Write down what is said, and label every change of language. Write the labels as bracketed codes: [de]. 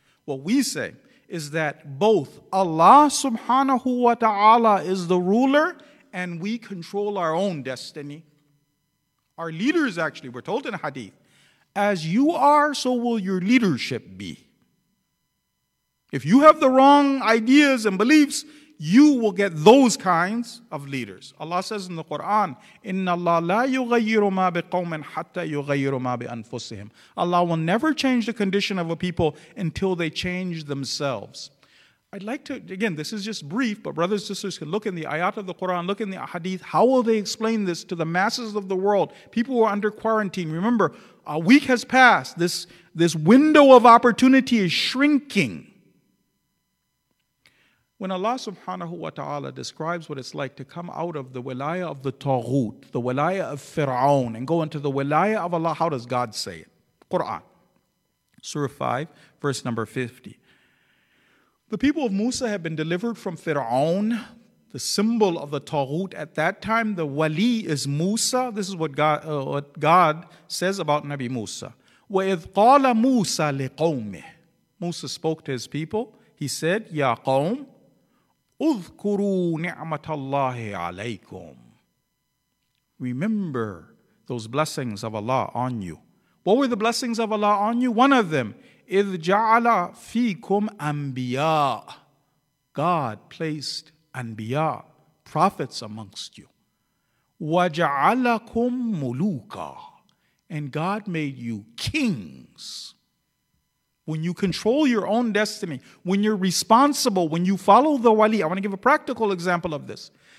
[en] What we say is that both Allah subhanahu wa ta'ala is the ruler, and we control our own destiny. Our leaders, actually, we're told in hadith, as you are, so will your leadership be. If you have the wrong ideas and beliefs, you will get those kinds of leaders. Allah says in the Quran, [ar] إِنَّ اللَّهَ لَا يُغَيِّرُ مَا بِقَوْمٍ حَتَّى يُغَيِّرُ مَا بِأَنفُسِهِمْ. [en] Allah will never change the condition of a people until they change themselves. I'd like to, again, this is just brief, but brothers and sisters can look in the ayat of the Quran, look in the hadith, how will they explain this to the masses of the world, people who are under quarantine. Remember, a week has passed, this window of opportunity is shrinking. When Allah subhanahu wa ta'ala describes what it's like to come out of the wilaya of the taghut, the wilaya of Fir'aun, and go into the wilaya of Allah, how does God say it? Quran, Surah 5, verse number 50. The people of Musa have been delivered from Fir'aun, the symbol of the taghut. At that time, the wali is Musa. This is what God says about Nabi Musa. [ar] وَإِذْ قَالَ مُوسَى لِقَوْمِهِ [en] Musa spoke to his people. He said, [ar] يَا قَوْمِ اذكروا نعمة الله عليكم. [en] Remember those blessings of Allah on you. What were the blessings of Allah on you? One of them, [ar] إذ جعل فيكم أنبياء. [en] God placed أنبياء, prophets amongst you. [ar] وَجَعَلَكُمْ مُلُوكًا. [en] And God made you kings. When you control your own destiny, when you're responsible, when you follow the wali, I want to give a practical example of this.